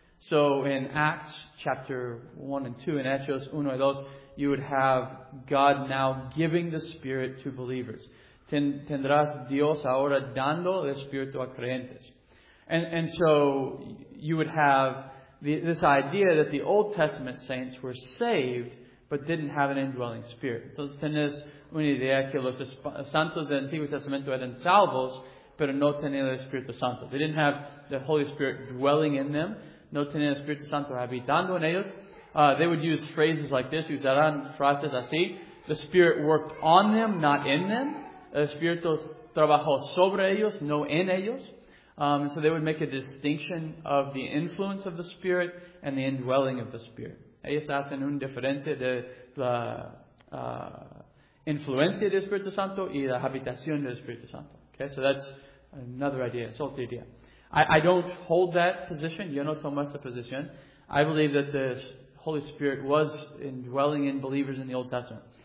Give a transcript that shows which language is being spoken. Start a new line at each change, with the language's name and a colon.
English: So, in Acts chapter 1 and 2, in Hechos 1 y 2, you would have God now giving the Spirit to believers.
Spanish: Tendrás Dios ahora dando el Espíritu a creyentes.
English: And so you would have this idea that the Old Testament saints were saved but didn't have an indwelling spirit.
Spanish: Entonces tenés una idea que los santos del Antiguo Testamento eran salvos, pero no tenían el Espíritu Santo.
English: They didn't have the Holy Spirit dwelling in them.
Spanish: No tenían el Espíritu Santo habitando en ellos.
English: They would use phrases like this.
Spanish: Usarán frases así.
English: The Spirit worked on them, not in them.
Spanish: El Espíritu trabajó sobre ellos, no en ellos.
English: So they would make a distinction of the influence of the Spirit and the indwelling of the Spirit.
Spanish: Ellos hacen un diferente de la influencia del Espíritu Santo y la habitación del Espíritu Santo.
English: Okay, so that's another idea, it's otra idea. I don't hold that position.
Spanish: Yo no tomo esa posición.
English: I believe that the Holy Spirit was indwelling in believers in the Old Testament.